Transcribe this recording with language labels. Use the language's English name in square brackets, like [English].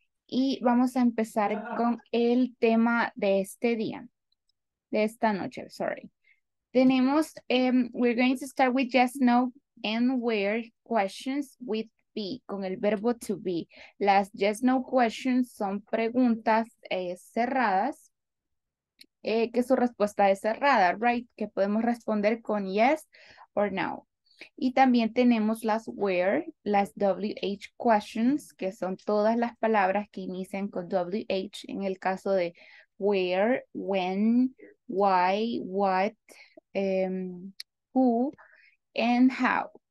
[Spanish] Y vamos a empezar con el tema de este día, de esta noche, sorry. [English] Tenemos, we're going to start with yes, no, and where questions with be, [Spanish] con el verbo [English] to be. [Spanish] Las yes, no questions son preguntas cerradas, que su respuesta es cerrada, right? Que podemos responder con yes or no. Y también tenemos las where, las WH questions, que son todas las palabras que inician con WH en el caso de where, when, why, what, who, and how.